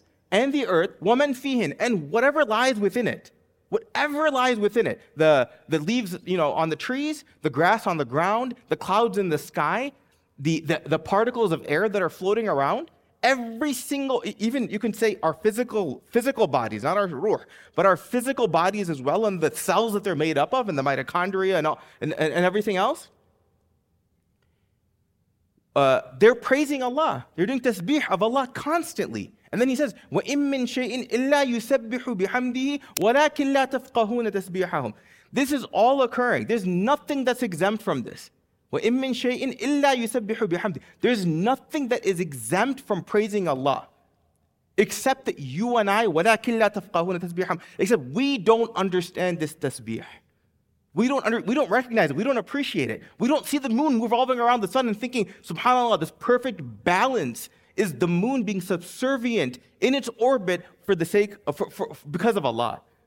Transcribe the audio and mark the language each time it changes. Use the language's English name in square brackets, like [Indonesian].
[English] and the earth, [Arabic] وَمَنْ فِيهِنْ [English] and whatever lies within it, whatever lies within it, the leaves, you know, on the trees, the grass on the ground, the clouds in the sky, the particles of air that are floating around, every single, even you can say our physical bodies, not our ruh, but our physical bodies as well, and the cells that they're made up of, and the mitochondria and everything else, they're praising Allah. They're doing tasbih of Allah constantly. And then he says, [Arabic] وَإِن مِّن شَيْءٍ إِلَّا يُسَبِّحُ بِحَمْدِهِ وَلَكِنْ لَا تَفْقَهُونَ تَسْبِيحَهُمْ [English] This is all occurring. There's nothing that's exempt from this. [Arabic] وَإِن مِّن شَيْءٍ إِلَّا يُسَبِّحُ بِحَمْدِهِ [English] There's nothing that is exempt from praising Allah, except that you and I, [Arabic] وَلَكِنْ لَا تَفْقَهُونَ تَسْبِيحَهُمْ [English] Except we don't understand this tasbih. We don't recognize it. We don't appreciate it. We don't see the moon revolving around the sun and thinking, subhanAllah, this perfect balance is the moon being subservient in its orbit for the sake of, because of Allah.